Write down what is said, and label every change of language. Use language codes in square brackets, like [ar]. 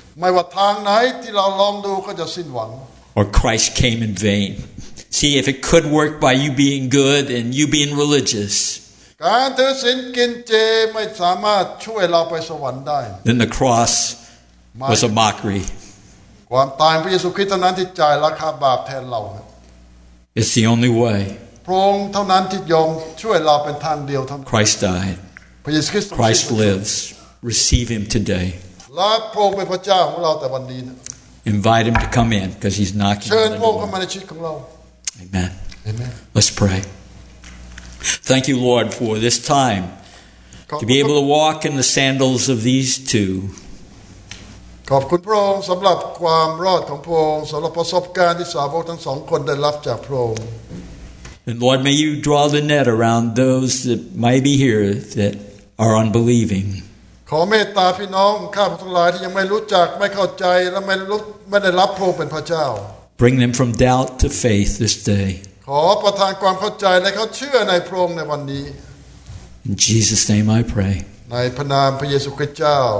[th] ไม่ว่าทางไหนที่เราลองดูก็จะสิ้นหวัง [en] Or Christ came in vain. See, if it could work by you being good and you being religious, [th] การถือศีลกินเจไม่สามารถช่วยเราไปสวรรค์ได้ [en] Then the cross was a mockery. [th] ความตายพระเยซูคริสต์เท่านั้นที่จ่ายราคาบาปแทนเรา [en] It's the only way. [th] พระองค์เท่านั้นที่ยอมช่วยเราเป็นทางเดียวเท่านั้น [en] Christ died. [th] พระเยซูคริสต์ [en] Christ lives. Receive Him today. [th] รับพระองค์เป็นพระเจ้าของเราแต่วันนี้นะ [en] Invite him to come in because he's knocking. [th] เชิญพระองค์เข้ามาในชีวิตของเรา [en] Amen. Amen. Let's pray. Thank you, Lord, for this time to be able to walk in the sandals of these two. [th] ขอบคุณพระองค์สำหรับความรอดของพระองค์สำหรับประสบการณ์ที่สาวกทั้งสองคนได้รับจากพระองค์ [en] And Lord, may you draw the net around those that might be here that are unbelieving. [th] ขอเมตตาพี่น้องข้าพเจ้าหลายที่ยังไม่รู้จักไม่เข้าใจและไม่ได้รับพระองค์เป็นพระเจ้า [en] Bring them from doubt to faith this day [th] ขอประทานความเข้าใจและเขาเชื่อในพระองค์ในวันนี้ [en] In Jesus name I pray [th] ในพระนามพระเยซูคริสต์เจ้า